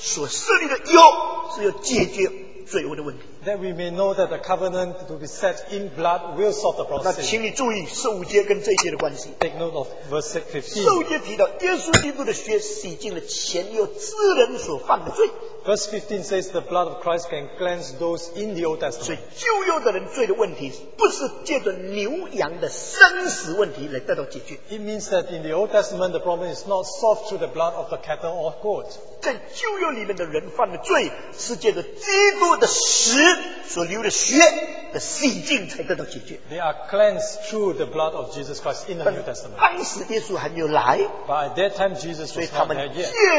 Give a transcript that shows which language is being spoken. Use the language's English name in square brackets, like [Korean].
[Chinese] 使我们懂得死，血流的血所设立的约，是要解决。 [English] That we may know that the covenant to be set in blood will solve the problem. [Chinese] 那请你注意十五节跟这一节的关系。 [English] Take note of verse 15. [Chinese] 十五节提到耶稣基督的血洗净了前有罪人所犯的罪。 [English] Verse 15 says the blood of Christ can cleanse those in the Old Testament. [Chinese] 所以旧约的人罪的问题不是借着牛羊的生死问题来得到解决。 [English] It means that in the Old Testament the problem is not solved through the blood of the cattle or goat. [Chinese] 在旧约里面的人犯的罪是借着基督的死所流的血的洗净才得到解决。 [English] They are cleansed through the blood of Jesus Christ in the New Testament. [Chinese] 但当时耶稣还没有来。 [English] By that time Jesus was not there yet.